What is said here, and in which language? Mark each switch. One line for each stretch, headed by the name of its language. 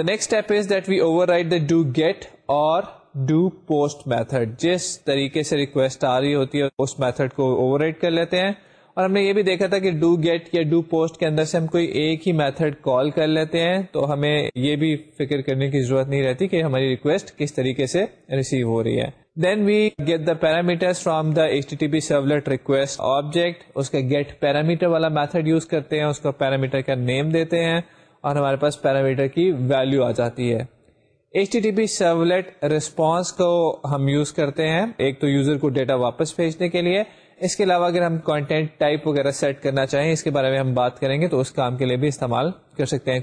English: The next step is that we override the do get or do post method.
Urdu: جس طریقے سے request آ رہی ہوتی ہے اس میتھڈ کو اوور رائڈ کر لیتے ہیں. اور ہم نے یہ بھی دیکھا تھا کہ ڈو گیٹ یا ڈو پوسٹ کے اندر سے ہم کوئی ایک ہی میتھڈ کال کر لیتے ہیں تو ہمیں یہ بھی فکر کرنے کی ضرورت نہیں رہتی کہ ہماری ریکویسٹ کس طریقے سے ریسیو ہو رہی ہے.
English: Then we get the parameters from the H T T P servlet request object.
Urdu: اس کا گیٹ پیرامیٹر والا میتھڈ یوز کرتے ہیں، اس کو پیرامیٹر کا نیم دیتے ہیں اور ہمارے پاس پیرامیٹر کی ویلیو آ جاتی ہے. H T T P servlet response کو ہم یوز کرتے ہیں ایک تو یوزر کو ڈیٹا واپس بھیجنے کے لیے، اس کے علاوہ اگر ہم کانٹینٹ ٹائپ وغیرہ سیٹ کرنا چاہیں اس کے بارے میں ہم بات کریں گے تو اس کام کے لیے بھی استعمال کر سکتے ہیں.